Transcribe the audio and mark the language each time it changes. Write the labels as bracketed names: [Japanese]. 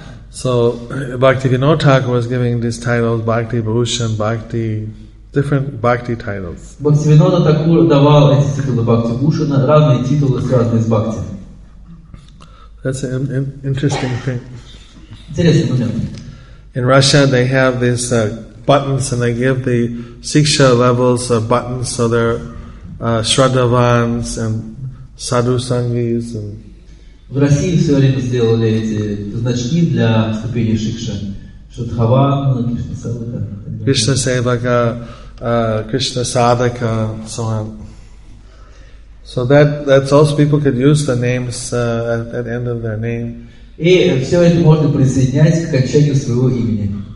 [English] So Bhaktivinoda Thakur was giving these titles, Bhakti Bhushan, Bhakti, different Bhakti titles. [Russian] Bhaktivinoda Thakur давал эти титулы Bhakti Bhushan, разные титулы, связанные с Bhakti. [English] That's an interesting thing. [Russian] Интересный момент. [English] In Russia, they have these buttons, and they give the siksha levels of buttons, so they're shraddhavans and sadhu sanghis. And [Russian] в России все время сделали эти значки для ступени сикша, шрадхаван, Кришна Севака, Кришна Садака, so on. [English] So that's also people could use the names at the end of their name. [Russian] И все это можно присоединять к окончанию своего имени.